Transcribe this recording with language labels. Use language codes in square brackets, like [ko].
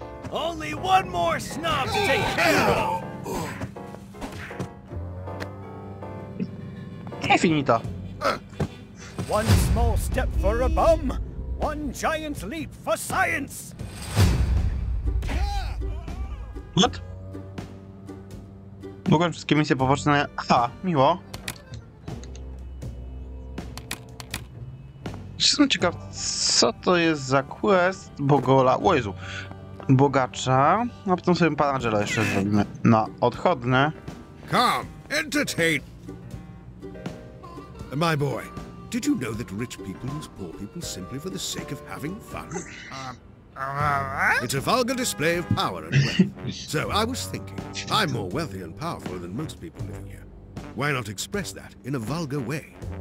[en] Only one more snob to take care [pl] of! I finito. [en] One small step for a bum, one giant leap for science! What? [pl] W ogóle wszystkie misje poboczne... Aha, miło. Jestem ciekaw, co to jest za quest Bogola... O Jezu. Bogacza. A potem sobie Pana Jela jeszcze zrobimy na odchodne. [en] Come, entertain! My boy, did you know that rich people use poor people simply for the sake of having fun? It's a vulgar display of power and wealth. So I was thinking, I'm more wealthy and powerful than most people living here. Why not express that in a vulgar way?